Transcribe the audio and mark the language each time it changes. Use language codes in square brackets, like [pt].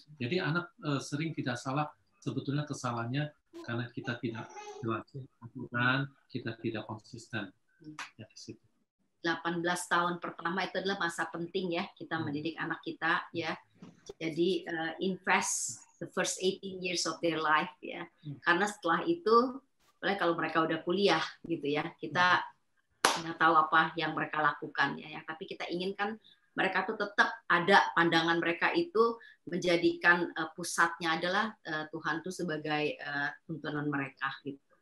[id] Jadi anak sering tidak salah, sebetulnya kesalahannya karena kita tidak jelasin, kita tidak konsisten. 18 tahun pertama itu adalah masa penting ya kita mendidik anak kita ya. [en] Jadi invest the first 18 years of their life ya. [id] Karena setelah itu, mulai kalau mereka udah kuliah gitu ya, kita nggak tahu apa yang mereka lakukan ya. Tapi kita inginkan mereka tuh tetap ada pandangan mereka itu menjadikan pusatnya adalah Tuhan tuh sebagai tuntunan mereka gitu.